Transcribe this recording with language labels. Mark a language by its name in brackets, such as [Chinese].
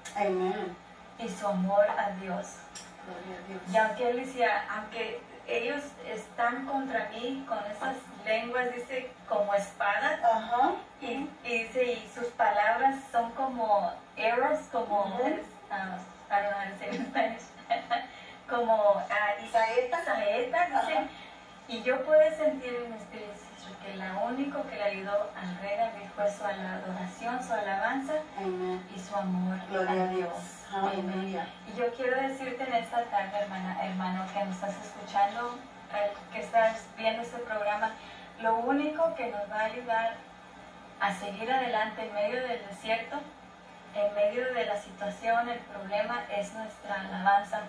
[Spanish] Amen. Y su amor a Dios. Gloria a Dios. Y aunque él decía, aunque ellos están contra mí con esas lenguas, dice, como espadas, uh-huh. y dice, y sus palabras son como arrows, como, uh-huh. [English] I don't know how to say it in Spanish, [Spanish] como saetas, uh-huh. Dice, y yo pude sentir en mi espíritu, que lo único que le ayudó al rey David fue su adoración, su alabanza. Amen. Y su amor. Gloria a Dios. Amén. Y yo quiero decirte en esta tarde, hermano, que nos estás escuchando, que estás viendo este programa, lo único que nos va a ayudar a seguir adelante en medio del desierto, en medio de la situación, el problema, es nuestra alabanza.